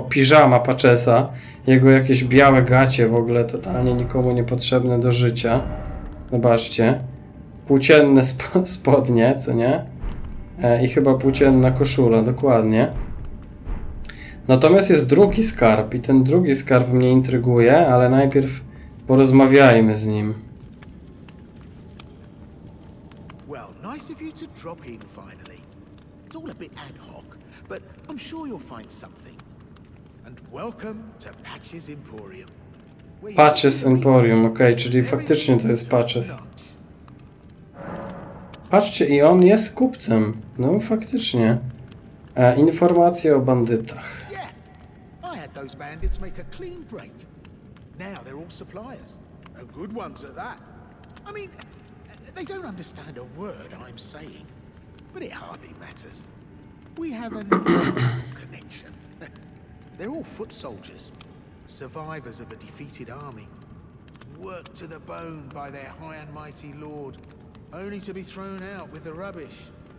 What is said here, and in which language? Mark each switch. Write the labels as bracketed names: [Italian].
[Polish] Piżama Patchesa, jego jakieś białe gacie w ogóle totalnie nikomu niepotrzebne do życia. Zobaczcie. Płócienne spodnie, co nie? I chyba płócienna koszula, dokładnie. Natomiast jest drugi skarb i ten drugi skarb mnie intryguje, ale najpierw porozmawiajmy z nim. [English] Well, nice of you to drop in finally. It's all a bit ad hoc, but I'm sure you'll find something. And welcome to Patches Emporium. Where you [Polish] Patches Emporium, ok, czyli faktycznie to jest Patches. Patrzcie, i on jest kupcem. No faktycznie. Informacje o bandytach. [English] Those bandits make a clean break. Now they're all suppliers, and good ones at that. I mean, they don't understand a word I'm saying, but it hardly matters. We have an connection. They're all foot soldiers, survivors of a defeated army, worked to the bone by their high and mighty lord, only to be thrown out with the rubbish.